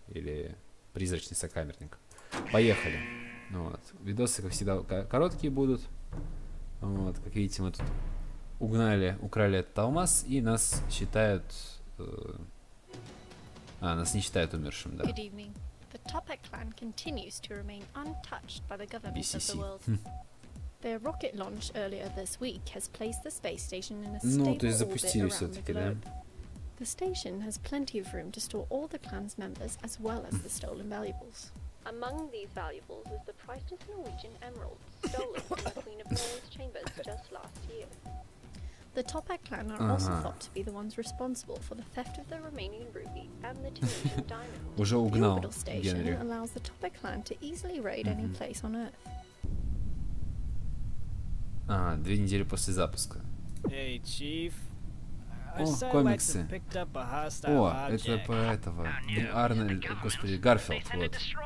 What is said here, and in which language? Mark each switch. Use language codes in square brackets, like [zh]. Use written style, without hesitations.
[ru] Или призрачный сокамерник? Поехали. Вот. Видосы, как всегда, короткие будут. Вот. Как видите, мы тут украли этот алмаз. И нас считают... нас не считают умершим, да. [en] The Topek clan continues to remain untouched by the government of the world. Their rocket launch earlier this week has placed the space station in a stable orbit around the globe. The station has plenty of room to store all the clan's members as well as the stolen valuables. Among these valuables is the priceless Norwegian emerald stolen from the Queen of Norway's chambers just last year. The Topek clan are also thought to be the ones responsible for the theft of the Romanian ruby and the Tunisian diamond. The orbital station allows the Topek clan to easily raid any place on Earth. [ru] Две недели после запуска. [en] Hey, Chief. [ru] О, комиксы. О, это по этого. Арнольд, господи, Гарфилд, вот.